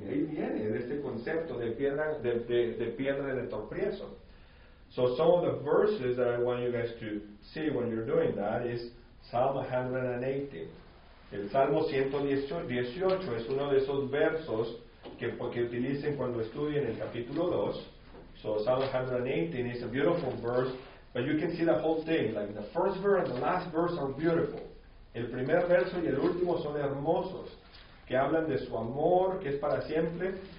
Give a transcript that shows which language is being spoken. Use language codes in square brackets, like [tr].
[es] De ahí viene de este concepto de piedra de tropiezo. [en] So some of the verses that I want you guys to see when you're doing that is Psalm 118. [es] El Salmo 118 es uno de esos versos que utilicen cuando estudien el capítulo 2. [en] So Psalm 118 is a beautiful verse, but you can see the whole thing. Like the first verse and the last verse are beautiful. [es] El primer verso y el último son hermosos, que hablan de su amor, que es para siempre.